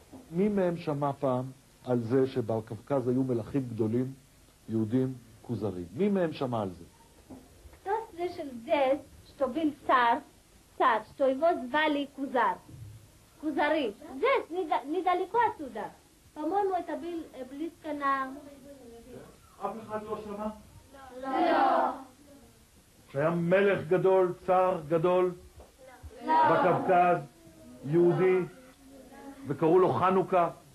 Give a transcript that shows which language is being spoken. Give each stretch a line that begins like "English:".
Hebrew: מי מהם שמע פעם על זה שבקווקז היו מלכים גדולים, יהודים, כוזרים? מי מהם שמע על זה?
Russian: Кто слышал здесь, что был цар, что его звали кузар? Кузары. Здесь, недалеко отсюда. По-моему, это был близко на...
Hebrew: אף אחד לא שמע? לא. שהיה מלך גדול, צר גדול, בקווקז, יהודי, וקראו לו חנוכה.